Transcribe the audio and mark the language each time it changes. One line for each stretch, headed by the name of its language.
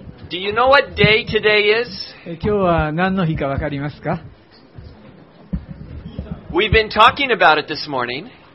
English: Do you know what day today is?
Japanese: 今日は何の日か分かりますか?
English: We've been talking about it this morning.